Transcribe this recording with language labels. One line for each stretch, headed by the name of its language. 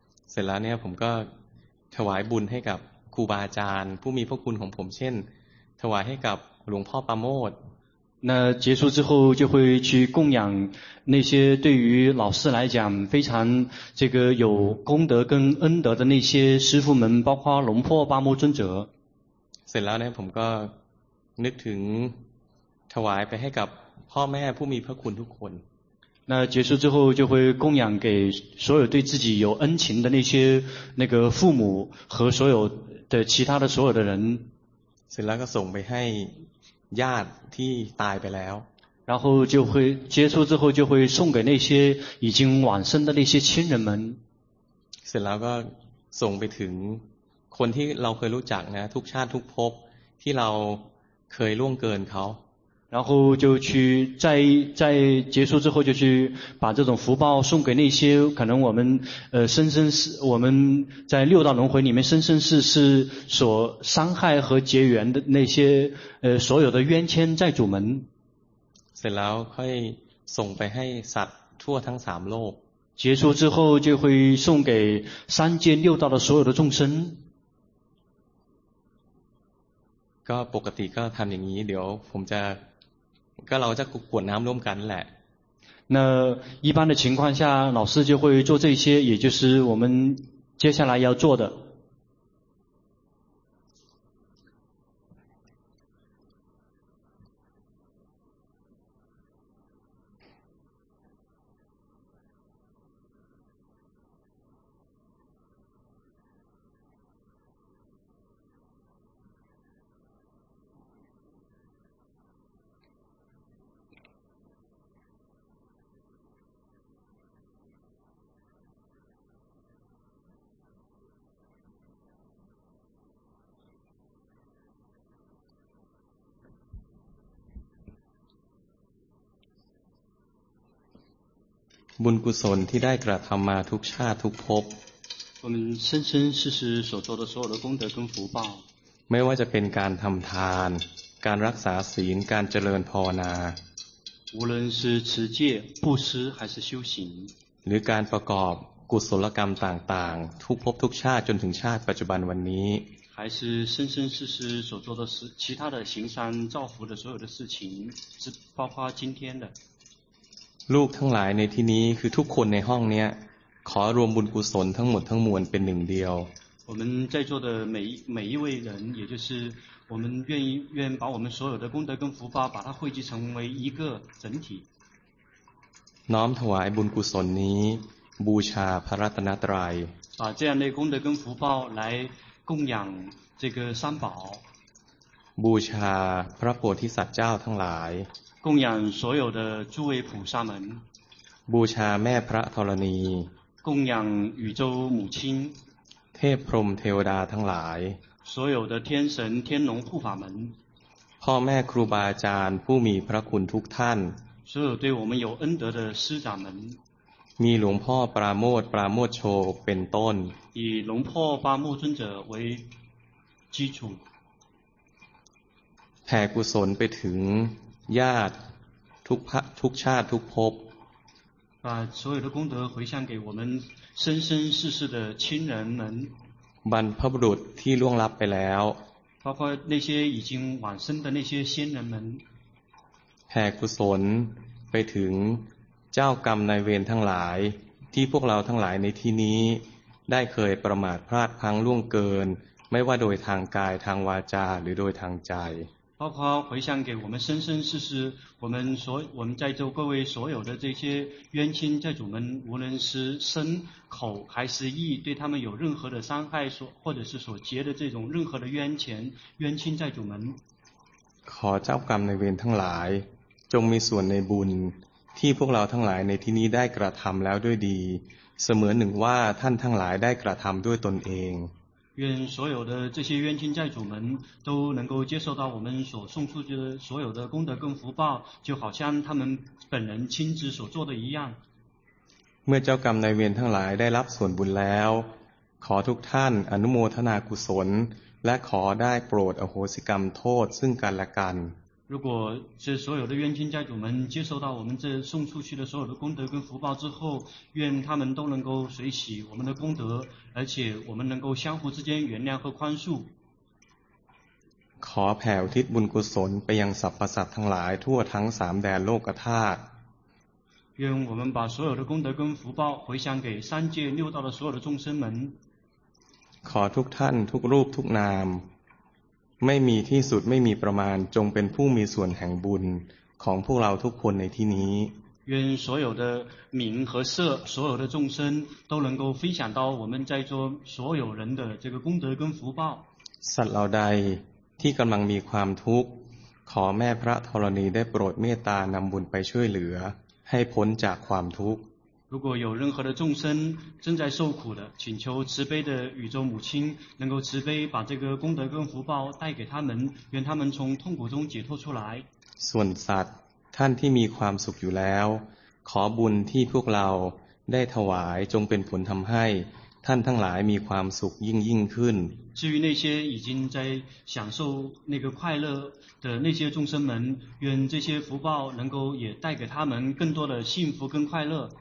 Thai: เสร็จแล้วเนี่ยผมก็ถวายบุญให้กับครูบาอาจารย์ผู้มีพระคุณของผมเช่นถวายให้กับหลวงพ่อปราโมท
Chinese: 那结束之后就会去供养那些对于老师来讲非常这个有功德跟恩德的那些师父们包括หลวงพ่อปราโมท尊者
Thai: เสร็จแล้วเนี่ยผมก็นึกถึงถวายไปให้กับพ่อแม่ผู้มีพระคุณทุกคน
Chinese: 那结束之后就会供养给所有对自己有恩情的那些那个父母和所有的其他的所有的人
Thai: เสร็จแล้วก็ส่งไปให้ญาติที่ตายไปแล้ว
Chinese: 然后就会接触之后就会送给那些已经往生的那些亲人们
Thai: เสร็จแล้วก็ส่งไปถึงคนที่เราเคยรู้จักนะทุกชาติทุกภพที่เราเคยล่วงเกินเขา
Chinese: 然后就去在结束之后就去把这种福报送给那些可能我们生生世我们在六道轮回里面生生世世所伤害和结缘的那些所有的冤亲债主们
Thai: เสร็จแล้วค่อยส่งไปให้สัตว์ทั่วทั้งสามโลก
Chinese: 结束之后就会送给三界六道的所有的众生。
Thai: ก็ปกติก็ทำอย่างนี้เดี๋ยวผมจะก็เราจะกวดน้ำร่วมกันแหละ
Chinese: 那一般的情况下老师就会做这些也就是我们接下来要做的
Thai: บุญกุศลที่ได้กระทำมาทุกชาติทุกภพ
Chinese: 我们生生世世所做的所有的功德跟福报
Thai: ไม่ว่าจะเป็นการทำทานการรักษาศีลการเจริญภาวนา
Chinese: 无论是持戒布施还是修行
Thai: หรือการประกอบกุศลกรรมต่างๆทุกภพทุกชาติจนถึงชาติปัจจุบันวันนี้
Chinese: 还是生生世世所做的其他的行善造福的所有的事情是包括今天的
Thai: ลูกทั้งหลายในที่นี้คือทุกคนในห้องเนี้ยขอรวมบุญกุศลทั้งหมดทั้งมวลเป็นหนึ่งเดียว
Chinese: 我们在座的每一位人也就是我们愿把我们所有的功德跟福报把它汇集成为一个整体
Thai: น้อมถวายบุญกุศลนี้บูชาพระรัตนตรัย
Chinese: 把这样的功德跟福报来供养这个三宝
Thai: บูชาพระโพธิสัตว์เจ้าทั้งหลาย
Chinese: 供养所有的诸位菩萨们
Thai: บูชาแม่พระธรณี
Chinese: 供养宇宙母亲
Thai: เทพพรหมเทวดาทั้งหลาย
Chinese: 所有的天神天龙护法门
Thai: พ่อแม่ครูบาอาจารย์ผู้มีพระคุณทุกท่าน
Chinese: 所有对我们有恩德的师长们
Thai: มีหลวงพ่อปราโมทปราโมทโชเป็นต้น
Chinese: 以หลวงพ่อปราโมท尊者为基础
Thai: แผ่กุศลไปถึงญาติทุกชาติทุกภพ
Chinese: 把所有的功德回向给我们生生世世的亲人们
Thai: บรรพบุรุษที่ล่วงลับไปแล้ว
Chinese: 包括那些已经往生的那些先人们
Thai: แผ่กุศลไปถึงเจ้ากรรมนายเวรทั้งหลายที่พวกเราทั้งหลายในที่นี้ได้เคยประมาทพลาดพลั้งล่วงเกินไม่ว่าโดยทางกายทางวาจาหรือโดยทางใจ
Chinese: 包括回向给我们生生世世我们在座各位所有的这些冤亲债主们无论是身口还是意对他们有任何的伤害或者是所结的这种任何的冤亲债主们
Thai: ขอเจ้ากรรมในเวรทั้งหลายจงมีส่วนในบุญที่พวกเราทั้งหลายในที่นี้ได้กระทำแล้วด้วยดีเสมือนหนึ่งว่าท่านทั้งหลายได้กระทำด้วยตนเอง
Chinese: 愿所有的这些冤亲债主们都能够接受到我们所送出去的所有的功德跟福报，就好像他们本人亲自所做的一样。
Thai: เมื่อเจ้ากรรมนายเวรทั้งหลายได้รับส่วนบุญแล้วขอทุกท่านอนุโมทนากุศลและขอได้โปรดอโหสิกรรมโทษซึ่งกันและกัน
Chinese: 如果这所有的冤亲债主们接受到我们这送出去的所有的功德跟福报之后，愿他们都能够随喜我们的功德，而且我们能够相互之间原谅和宽恕。
Thai: ขอแผ่อุทิศบุญกุศลไปยังสรรพสัตว์ทั้งหลายทั่วทั้งสามแดนโลกธาตุ。
Chinese: 愿我们把所有的功德跟福报回向给三界六道的所有的众生们。
Thai: ขอทุกท่านทุกรูปทุกนามไม่มีที่สุดไม่มีประมาณจงเป็นผู้มีส่วนแห่งบุญของพวกเราทุกคนในที่นี้
Chinese: 愿所有的名和色所有的众生都能够分享到我们在座所有人的这个功德跟福报
Thai: สัตว์เหล่าใดที่กำลังมีความทุกข์ขอแม่พระธรณีได้โปรดเมตตานำบุญไปช่วยเหลือให้พ้นจากความทุกข์
Chinese: 如果有任何的众生正在受苦的，请求慈悲的宇宙母亲能够慈悲把这个功德跟福报带给他们，愿他们从痛苦中解脱出来。
Thai: ส่วนสัตว์ท่านที่มีความสุขอยู่แล้วขอบุญที่พวกเราได้ถวายจงเป็นผลทำให้ท่านทั้งหลายมีความสุขยิ่งขึ้น
Chinese: 至于那些已经在享受那个快乐的那些众生们，愿这些福报能够也带给他们更多的幸福跟快乐。